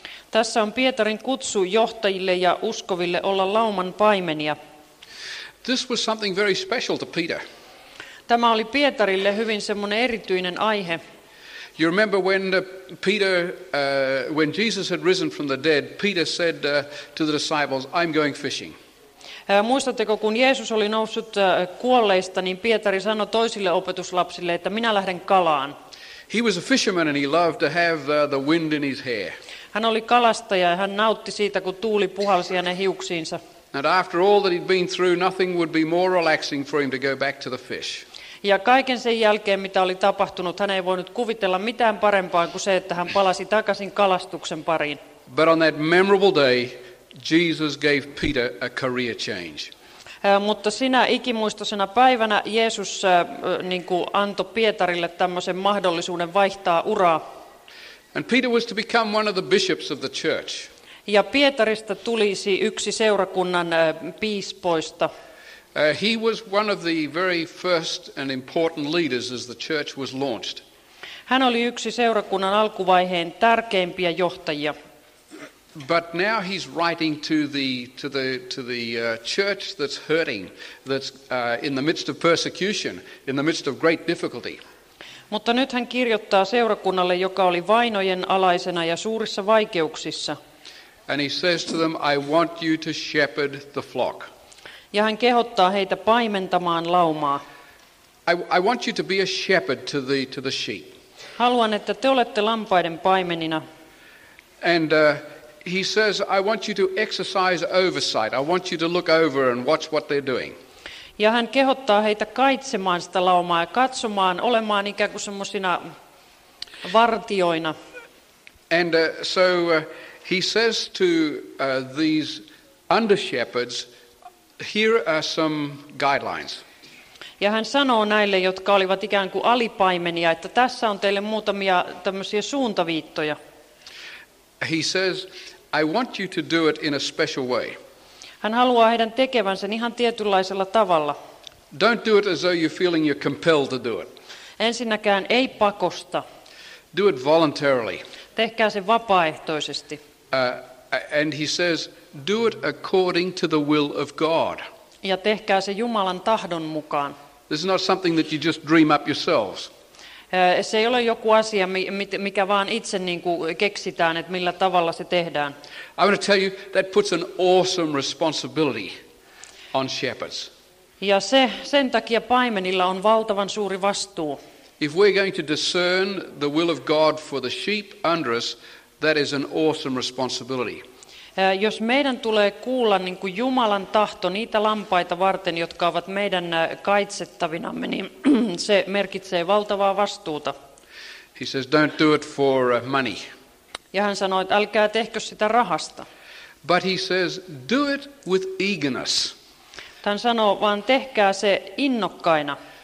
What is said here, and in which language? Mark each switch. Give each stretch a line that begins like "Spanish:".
Finnish: Tässä on Pietarin kutsu johtajille ja uskoville olla lauman paimenia.
English: This was something very special to Peter.
Finnish: Tämä oli Pietarille hyvin semmoinen erityinen aihe.
English: You remember when Peter, when Jesus had risen from the dead, Peter said to the disciples, "I'm going fishing."
Finnish: Muistatteko, kun Jeesus oli noussut kuolleista, niin Pietari sanoi toisille opetuslapsille, että minä lähden kalaan.
English: He was a fisherman and he loved to have the wind in his hair.
Finnish: Hän oli kalastaja ja hän nautti siitä, kun tuuli puhalsi hänen hiuksiinsa.
English: And after all that he'd been through, nothing would be more relaxing for him to go back to the fish.
Finnish: Ja kaiken sen jälkeen, mitä oli tapahtunut, hän ei voinut kuvitella mitään parempaa kuin se, että hän palasi takaisin kalastuksen pariin.
English: But on that memorable day, Jesus gave Peter a career change.
Finnish: Mutta sinä ikimuistosena päivänä Jeesus niinku antoi Pietarille tämmöisen mahdollisuuden vaihtaa uraa.
English: And Peter was to become one of the bishops of the church.
Finnish: Ja Pietarista tulisi yksi seurakunnan piispoista.
English: He was one of the very first and important leaders as the church was launched.
Finnish: Hän oli yksi seurakunnan alkuvaiheen tärkeimpiä johtajia.
English: But now he's writing to the church that's hurting, that's in the midst of persecution, in the midst of great difficulty.
Finnish: Mutta nyt hän kirjoittaa seurakunnalle, joka oli vainojen alaisena ja suurissa vaikeuksissa.
English: And he says to them, I want you to shepherd the flock.
Finnish: Ja hän kehottaa heitä paimentamaan laumaa.
English: I want you to be a shepherd to the sheep.
Finnish: Haluan, että te olette lampaiden paimenina.
English: And he says, I want you to exercise oversight. I want you to look over and watch what they're doing.
Finnish: Ja hän kehottaa heitä kaitsemaan sitä laumaa ja katsomaan, olemaan ikään kuin semmoisina vartioina.
English: And he says to these under-shepherds, here are some guidelines.
Finnish: Ja hän sanoo näille, jotka olivat ikään kuin alipaimenia, että tässä on teille muutamia tämmöisiä suuntaviittoja.
English: He says, I want you to do it in a special way.
Finnish: Hän haluaa heidän tekevän sen ihan tietynlaisella tavalla.
English: Don't do it as though you're feeling you're compelled to do it.
Finnish: Ensinnäkään ei pakosta.
English: Do it voluntarily.
Finnish: Tehkää se vapaaehtoisesti.
English: And he says, do it according to the will of God.
Finnish: Ja tehkää se Jumalan tahdon mukaan.
English: This is not something that you just dream up yourselves.
Finnish: Se ei ole joku asia, mikä vaan itse niin kuin keksitään, että millä tavalla se tehdään.
English: I want to tell you, that puts an awesome responsibility on shepherds.
Finnish: Ja sen takia paimenilla on valtavan suuri vastuu.
English: If we're going to discern the will of God for the sheep under us, that is an awesome responsibility.
Finnish: Jos meidän tulee kuulla niin kuin Jumalan tahto niitä lampaita varten, jotka ovat meidän kaitsettavinamme, niin se merkitsee valtavaa vastuuta.
English: He says, don't do it for money.
Finnish: Ja hän sanoi, että älkää tehkö sitä rahasta.
English: But he says, do it with eagerness.
Finnish: Hän sanoo, vaan tehkää se innokkaina.